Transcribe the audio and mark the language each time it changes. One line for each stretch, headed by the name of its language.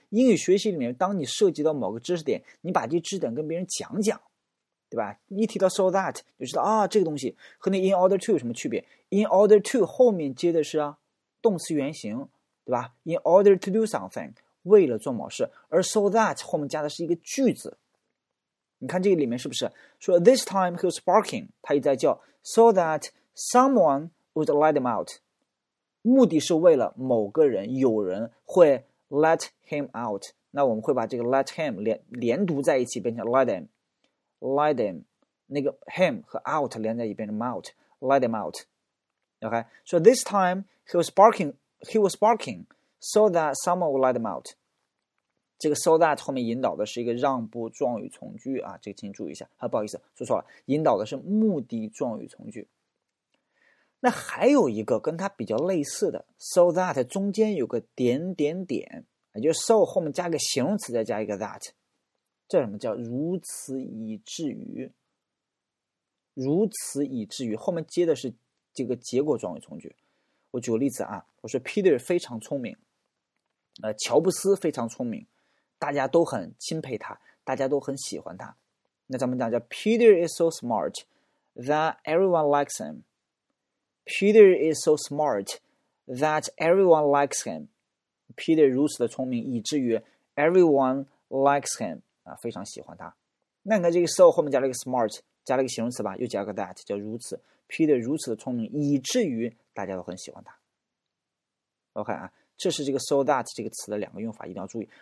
Chinese: 英语学习里面，当你涉及到某个知识点，你把这知识点跟别人讲讲，对吧？一提到 so that， 就知道啊，这个东西和那 in order to 有什么区别 ？In order to 后面接的是啊动词原形，对吧 ？In order to do something， 为了做某事，而 so that 后面加的是一个句子。你看这个里面是不是说
English: this time he was barking，
Chinese: 他一再叫
English: so that someone would let him out。
Chinese: 目的是为了某个人，有人会 let him out， 那我们会把这个 let him 连读在一起变成 let him， let him， 那个 him 和 out 连在一起变成 out， let him out， OK，
English: so this time he was barking so that someone would let him out，
Chinese: 这个 so that 后面引导的是一个让步状语从句啊，这个请注意一下，不好意思说错了，引导的是目的状语从句。那还有一个跟它比较类似的 so that 中间有个点点点，也就是 so 后面加个形容词再加一个 that， 这什么叫如此以至于，如此以至于后面接的是这个结果状语从句。我举个例子啊，我我说 Peter 非常聪明，乔布斯非常聪明，大家都很钦佩他，大家都很喜欢他。
English: 那咱们讲叫 Peter is so smart that everyone likes him. Peter is so smart that everyone likes him.
Chinese: Peter 如此的聪明，以至于 everyone likes him、非常喜欢他。那你看这个 so 后面加了一个 smart， 加了一个形容词吧，又加个 that， 叫如此。 Peter 如此的聪明，以至于大家都很喜欢他。OK 啊，这是这个 so that 这个词的两个用法，一定要注意。